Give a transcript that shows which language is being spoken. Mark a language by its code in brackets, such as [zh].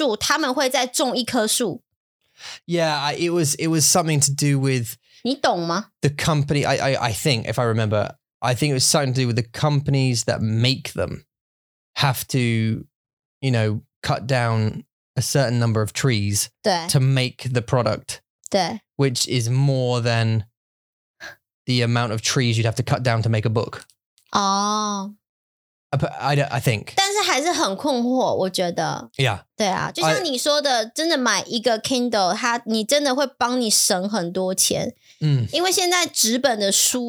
[zh] 好困惑，而且我还是听不懂，就是那个公司在干嘛。就是他说那个公司是如果你砍了一棵树，他们会再种一棵树。Yeah, [en] it was something to do with... [zh] 你懂吗? [en] The company, I think, if I remember, I think it was something to do with the companies that make them have to, you know, cut down a certain number of trees to make the product. [zh] 对, [en] which is more than the amount of trees you'd have to cut down to make a book. Oh. I think. [zh] 但是还是很困惑,我觉得。 [en] Yeah. [zh] 对啊,就像你说的,真的买一个Kindle,它你真的会帮你省很多钱。因为现在纸本的书...